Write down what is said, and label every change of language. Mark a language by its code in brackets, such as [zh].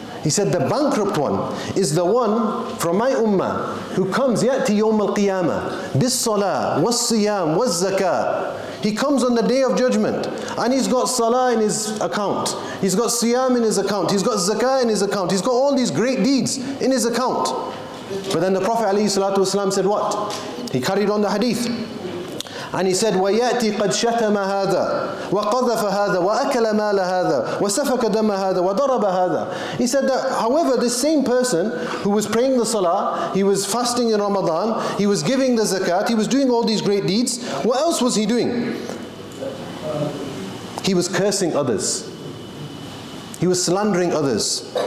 [en] He said, the bankrupt one is the one from my ummah who comes, [ar] ya'ti yawm al-qiyamah, bis-salah, was-siyam, was-zakah. [en] He comes on the day of judgment and he's got salah in his account. He's got siyam in his account. He's got zakah in his account. He's got all these great deeds in his account. But then the Prophet alayhi salatu wasalam said what? He carried on the hadith. And he said, [ar] وَيَأْتِي قَدْ شَتَمَ هَذَا وَقَذَفَ هَذَا وَأَكَلَ مَالَ هَذَا وَسَفَكَ دَمَ هَذَا وَضَرَبَ هَذَا. [en] He said that, however, this same person who was praying the salah, he was fasting in Ramadan, he was giving the zakat, he was doing all these great deeds, what else was he doing? He was cursing others. He was slandering others.